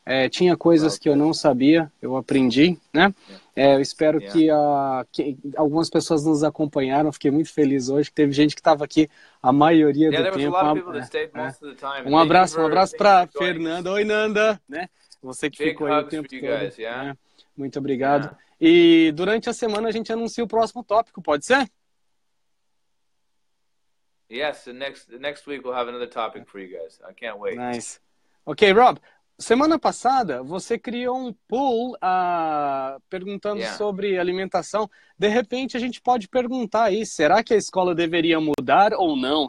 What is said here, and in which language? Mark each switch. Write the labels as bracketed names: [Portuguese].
[Portuguese] Tinha coisas que eu não sabia, eu aprendi, né? Eu espero que algumas pessoas nos acompanharam, fiquei muito feliz hoje, que teve gente que estava aqui a maioria do tempo. Um abraço para Fernanda. Oi, Nanda! Né? Você que [English] big [Portuguese] ficou aí o tempo todo. [English] Guys, yeah. [Portuguese] Né? Muito obrigado. Yeah. E durante a semana a gente anuncia o próximo tópico, pode ser? [English] Yes, next week we'll have another topic for you guys. I can't wait. Nice. Ok, Rob. [Portuguese] Semana passada, você criou um poll perguntando sobre alimentação. De repente, a gente pode perguntar aí, será que a escola deveria mudar ou não?